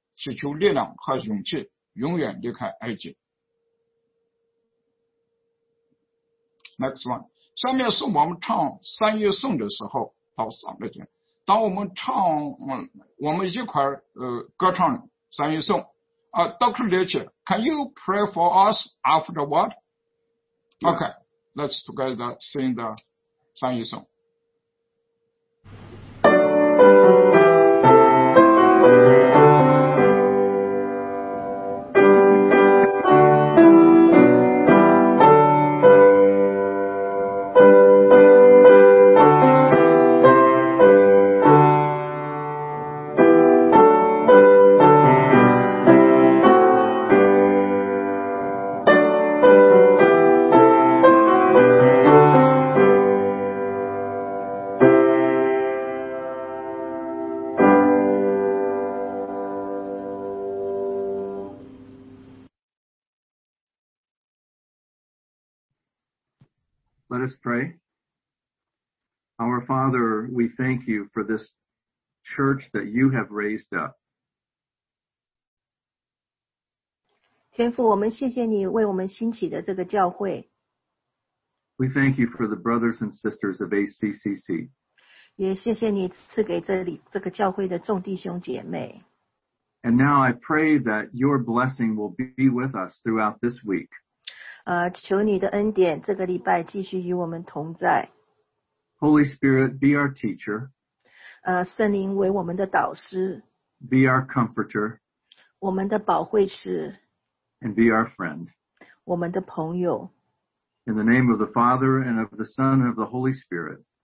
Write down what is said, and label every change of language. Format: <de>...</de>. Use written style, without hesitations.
<zh>祈求力量和勇气永远离开埃及。</zh> <en>Next one。</en> <zh>下面是我们唱三一颂的时候到三个节，当我们唱我们一块歌唱三一颂Dr.</zh> <en>Leach, can you pray for us afterward? Okay, let's together sing the 三一颂。 Let us pray. Our Father, we thank you for this church that you have raised up.</en> <zh>天父，我们谢谢你为我们兴起的这个教会。</zh> <en>We thank you for the brothers and sisters of ACCC.</en> <zh>也谢谢你赐给这里这个教会的众弟兄姐妹。</zh> <en>And now I pray that your blessing will be with us throughout this week.</en> <zh>求你的恩典这个礼拜继续与我们同在。</zh> <en>Holy Spirit, be our teacher.</en> <zh>圣灵为我们的导师。</zh> <en>Be our comforter.</en> <zh>我们的保惠师。</zh> <en>And be our friend.</en> <zh>我们的朋友。</zh> <en>In the name of the Father and of the Son and of the Holy Spirit.</en>